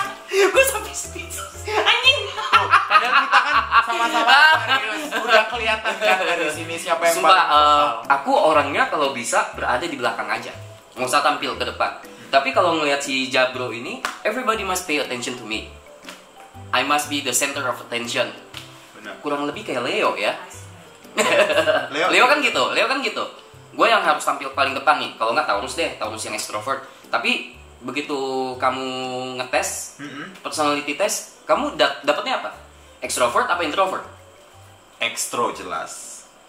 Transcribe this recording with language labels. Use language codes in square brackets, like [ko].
[id] Gue sampai speechless. Anjing. Padahal kita kan sama-sama udah kelihatan kan dari sini siapa yang sumpah, aku orangnya kalau bisa berada di belakang aja. Nggak usah tampil ke depan. Tapi kalau ngelihat si Jabro ini, [en] everybody must pay attention to me. I must be the center of attention. [id] Benar. Kurang lebih kayak Leo ya. Leo kan gitu, Leo kan gitu. Gue yang harus tampil paling depan nih. Kalau nggak, Taurus deh, Taurus yang extrovert. Tapi begitu kamu ngetes, personality test, kamu dapetnya apa? Extrovert apa introvert? Extro jelas.